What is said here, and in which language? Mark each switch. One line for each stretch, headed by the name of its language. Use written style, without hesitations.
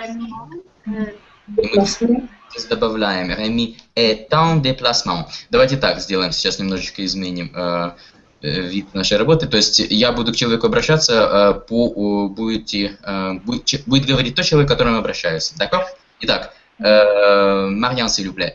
French: Реми – est en déplacement.
Russian: Добавляем Реми этан деплассман. Давайте так сделаем. Сейчас немножечко изменим вид нашей работы. То есть я буду к человеку обращаться, будет говорить тот человек, к которому обращаюсь. Так?
French: Итак, Мариан, s'il vous plaît.